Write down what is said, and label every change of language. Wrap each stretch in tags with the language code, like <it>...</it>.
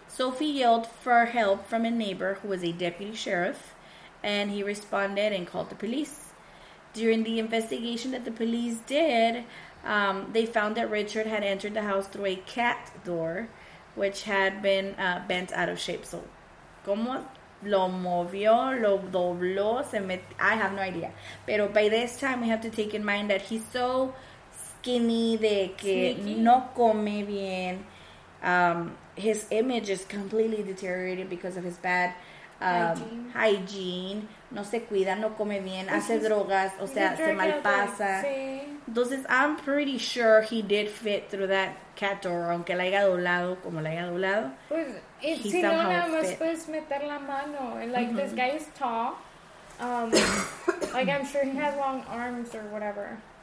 <en>Sophie yelled for help from a neighbor who was a deputy sheriff, and he responded and called the police. During the investigation that the police did, they found that Richard had entered the house through a cat door, which had been bent out of shape.</en> <es>So, ¿cómo lo movió, lo dobló, se met?</es> <en>I have no idea.</en> <es>Pero</es> <en>by this time, we have to take in mind that he's so skinny</en> <es>de que no come bien.</es> <en>His image is completely deteriorated because of his bad hygiene.</en> <es>no se cuida, no come bien, pues hace drogas, o sea, se malpasa. Entonces,</es> <en>I'm pretty sure he did fit through that cat door,</en> <es>aunque la haya doblado,</es> <en>como la haya doblado.</en> <es>Pues, si no, nada más puedes meter la mano.</es> <en>Like, this guy is tall. like, I'm sure he has long arms or whatever.</en>